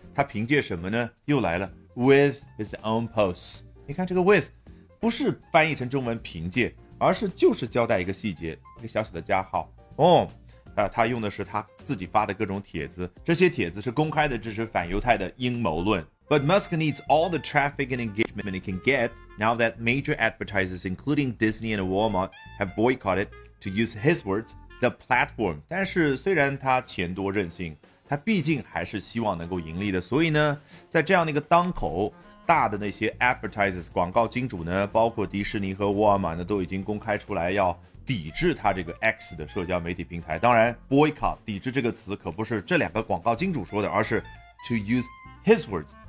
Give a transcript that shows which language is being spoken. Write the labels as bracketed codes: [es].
[zh] 他凭借什么呢？又来了， [en] with his own posts。 [zh] 你看这个 with 不是翻译成中文凭借，而是就是交代一个细节，一个小小的加号哦。他用的是他自己发的各种帖子，这些帖子是公开的支持反犹太的阴谋论。 [en] But Musk needs all the traffic and engagement he can get now that major advertisers including Disney and WalmartHave boycotted, to use his words, the platform. [zh] 但是虽然他钱多任性，他毕竟还是希望能够盈利的。所以呢，在这样的一个当口，大的那些 advertisers 广告金主呢，包括迪士尼和沃尔玛呢，都已经公开出来要抵制他这个 X 的社交媒体平台。当然 ，boycott 抵制这个词可不是这两个广告金主说的，而是 [en] to use his words。